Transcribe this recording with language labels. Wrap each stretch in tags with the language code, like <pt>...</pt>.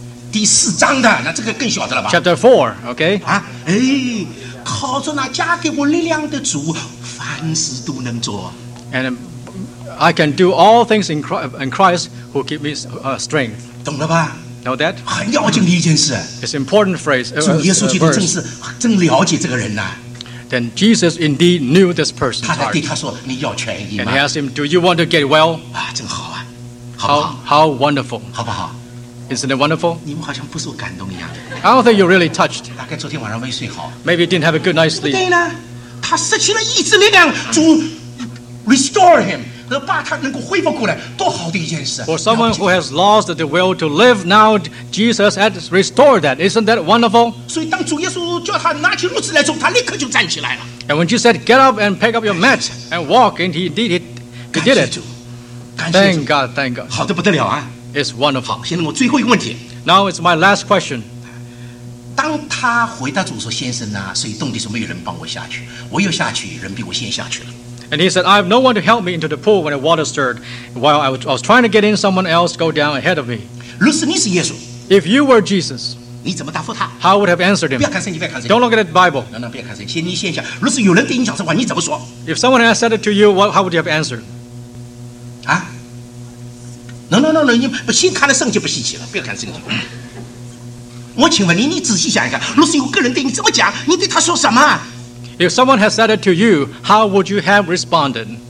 <zh>第四章的，那这个更晓得了吧</zh> <en>？Chapter four, okay.</en> <zh>啊，哎，靠着那加给我力量的主，凡事都能做。</zh> <en>And I can do all things in Christ who give me strength.</en> <zh>懂了吧</zh> <en>？Know that?</en> <zh>很要紧的一件事。</zh> <en>It's important phrase.</en> <zh>主耶稣基督真是真了解这个人呐。</zh> <en>Then Jesus indeed knew this person.</en> <zh>他在对他说：“你要痊愈吗</zh> <en>？”And he asked him, "Do you want to get well?"</en> <zh>啊，真好啊，好不好</zh> <en>？How wonderful,</en> <zh>好不好？</zh> <en>Isn't it wonderful?</en> <zh>你们好像不受感动一样的。</zh> <en>I don't think you're really touched.</en> <zh>大概昨天晚上没睡好。</zh> <en>Maybe you didn't have a good night's sleep.</en> <zh>对呢，他失去了意志力量，主</zh> <en>restore him，</en> <zh>能把他能够恢复过来，多好的一件事。</zh> <en>For someone who has lost the will to live, now Jesus has restored that. Isn't that wonderful?</en> <zh>所以当主耶稣叫他拿起褥子来走，他立刻就站起来了。</zh> <en>And when she said, get up and pick up your mat and walk, and he did it. He did it. Thank God, thank God.</en> <zh>好的不得了啊。</zh> <en>It's wonderful.</en> <zh>好，现在我最后一个问题。</zh> <en>Now it's my last question.</en> <zh>当他回答主说，先生啊，水冻的时候没有人帮我下去，我又下去，人比我先下去了。</zh> <en>And he said, I have no one to help me into the pool when the water stirred. While I was trying to get in, someone else go down ahead of me.</en> <zh>如是你是耶稣,</zh> <en>if you were Jesus,</en> <zh>你怎么答复他?</zh> <en>How would have answered him?</en> <zh>不要看神,</zh> <en>don't look at the Bible.</en> <zh>No, 不要看神, 如是有人对你讲说,</zh> <en>if someone had said it to you, what, how would you have answered? 啊?</en> <zh>No, 你先看了圣经不稀奇了, 我请问你，你仔细想一想，若是有个人对你这么讲，你对他说什么？</zh> <en>If someone has said it to you, how would you have responded?</en>